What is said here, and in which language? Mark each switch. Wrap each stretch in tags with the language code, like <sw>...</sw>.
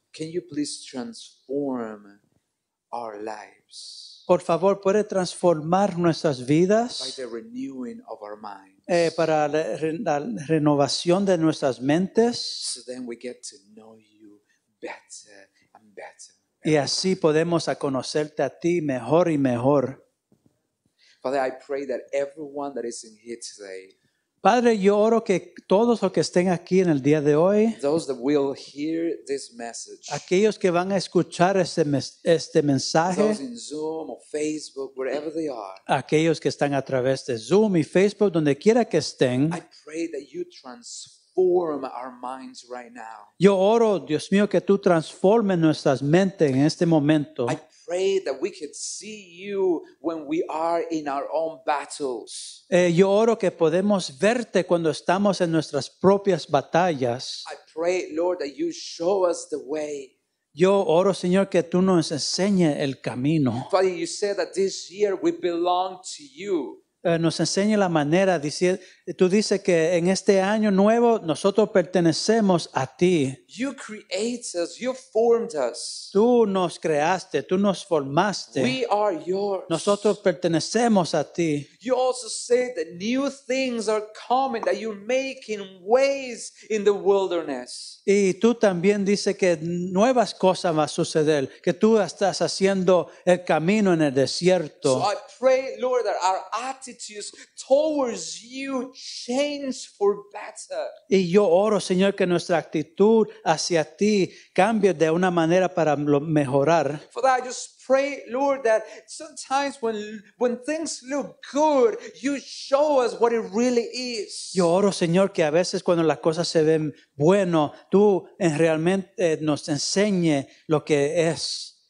<en>Can you please transform our lives?</en> <es>Por favor, puede transformar nuestras vidas.</es> <en>By the renewing of our minds.</en> <es>Para la renovación de nuestras mentes.</es> <en>So then we get to know you better and better.</en> <es>Y así podemos a conocerte a ti mejor y mejor.</es> <en>Father, I pray that everyone that is in here today.</en> <es>Padre, yo oro que todos los que estén aquí en el día de hoy,</es> <en>those that will hear this message,</en> <es>aquellos que van a escuchar este mensaje,</es> <en>those in Zoom or Facebook, wherever they are,</en> <es>aquellos que están a través de Zoom y Facebook, donde quiera que estén,</es> <en>I pray that you transform our minds right now.</en> <es>Yo oro, Dios mío, que tú transformes nuestras mentes en este momento.</es> <en>Pray that we could see you when we are in our own battles.</en> <es>Yo oro que podemos verte cuando estamos en nuestras propias batallas.</es> <en>I pray, Lord, that you show us the way.</en> <es>Yo oro, Señor, que tú nos enseñes el camino.</es> <en>Father, you said that this year we belong to you.</en> <es>Nos enseñe la manera. Tú dices que en este año nuevo nosotros pertenecemos a ti.</es> <en>You created us, you formed us.</en> <es>Tú nos creaste, tú nos formaste.</es> <en>We are yours.</en> <es>Nosotros pertenecemos a ti.</es> <en>You also say that new things are coming, that you're making ways in the wilderness.</en> <es>Y tú también dices que nuevas cosas van a suceder, que tú estás haciendo el camino en el desierto.</es> <en>So I pray, Lord, that our attitudes towards you change for better.</en> <es>Y yo oro, Señor, que nuestra actitud hacia ti cambie de una manera para mejorar.</es> <en>For that, I just pray, Lord, that sometimes when things look good, you show us what it really is.</en> <es>Yo oro, Señor, que a veces cuando las cosas se ven bueno, tú realmente nos enseñe lo que es.</es>